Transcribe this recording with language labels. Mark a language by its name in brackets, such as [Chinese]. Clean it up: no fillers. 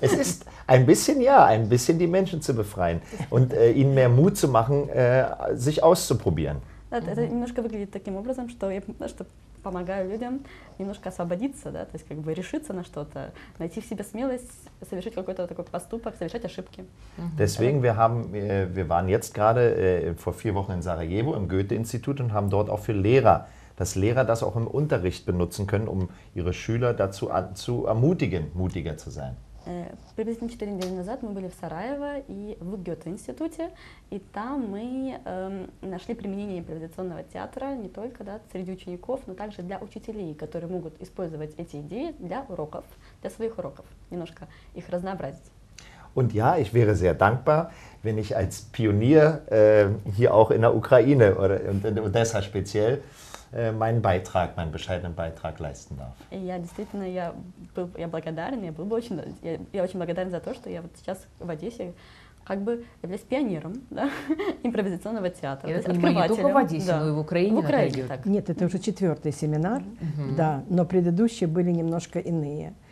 [German] Es ist ein bisschen, ja, ein bisschen die Menschen zu befreien und ihnen mehr Mut zu machen, sich auszuprobieren. [Russian] Это немножко выглядит таким образом, что я что помогаю людям немножко освободиться, да, то есть как бы решиться на что-то, найти в себе смелость, совершить какой-то такой поступок, совершать ошибки. [German] Deswegen, wir waren jetzt gerade vor 4 Wochen in Sarajevo im Goethe-Institut und haben dort auch für Lehrer, dass Lehrer das auch im Unterricht benutzen können, um ihre Schüler dazu zu ermutigen, mutiger zu sein. [Russian] Приблизительно 4 недели назад мы были в Сараево и в Гёте-институте, и там мы нашли применение импровизационного театра не только да, среди учеников, но также для учителей, которые могут использовать эти идеи для уроков, для своих уроков, немножко их разнообразить. [German] Und ja, ich wäre sehr dankbar, wenn ich als Pionier hier auch in der Ukraine oder in Odessa speziell meinen Beitrag, meinen bescheidenen Beitrag leisten darf. [Russian] Ja, действительно, я благодарен, я был бы очень, я очень благодарен за то, что я вот сейчас в Одессе как бы являюсь пионером, да, импровизационного театра. Я не только в Одессе, но и в Украине. В Украине, так. Нет, это уже 4-й семинар, да, но предыдущие были немножко иные.